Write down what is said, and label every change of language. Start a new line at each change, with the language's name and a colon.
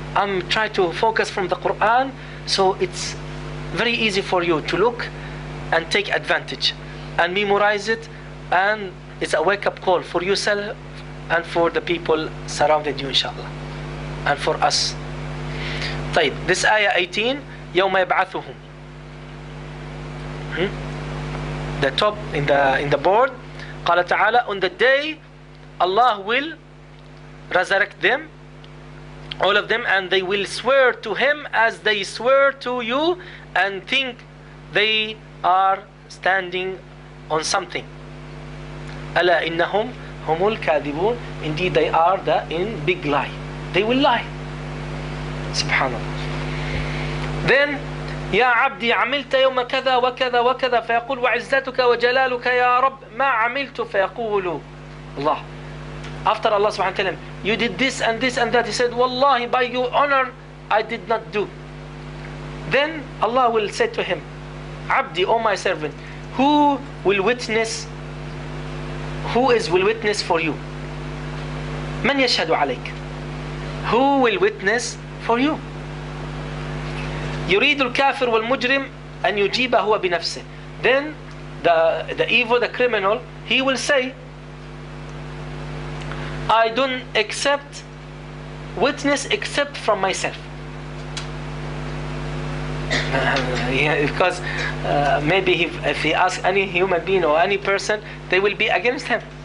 English: I'm trying to focus from the Quran, so it's very easy for you to look and take advantage and memorize it, and it's a wake-up call for yourself and for the people surrounding you, inshallah, and for us. طيب, this ayah 18,
Arabic: يوم يبعثهم.
English: The top in the board.
Arabic: قال تعالى,
English: on the day Allah will resurrect them, all of them, and they will swear to him as they swear to you and think they are standing on something.
Arabic: ألا إنهم هم الكاذبون.
English: Indeed they are the in big lie. They will lie.
Arabic: سبحان الله. Then, يا عبدي عملت يوم كذا وكذا وكذا. فيقول وعزتك وجلالك يا رب ما عملت. فيقول الله,
English: after Allah سبحانه وتعالى, you did this and this and that. He said, والله, by your honor, I did not do. Then Allah will say to him, عبدي, oh my servant, who will witness for you?
Arabic: من يشهد عليك?
English: Who will witness for you?
Arabic: يريد الكافر والمجرم أن يجيب هو بنفسه.
English: Then the evil, the criminal, he will say, I don't accept witness except from myself. Because maybe if he asks any human being or any person, they will be against him.